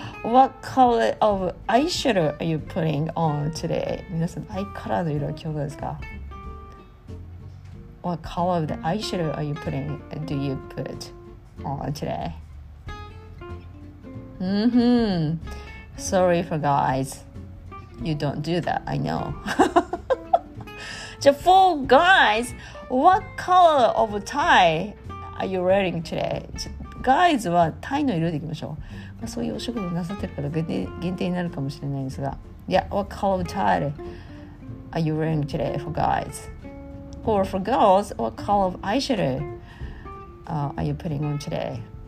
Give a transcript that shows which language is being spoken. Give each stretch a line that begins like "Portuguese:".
English: What color of eyeshadow are you putting on today?
Japanese: 皆さん、アイカラーの色は今日どうですか?
English: What color of the eyeshadow are you putting, do you put on today? Mm-hmm. Sorry for guys. You don't do that, I know. So for guys,What color of tie are you wearing today?
Japanese: Guys はタイの色でいきましょう。まあ、そういうお仕事なさってるから限定になるかもしれないですが。
English: Yeah, what color of tie are you wearing today for guys? Or for girls, what color of eyeshadow are you putting on today?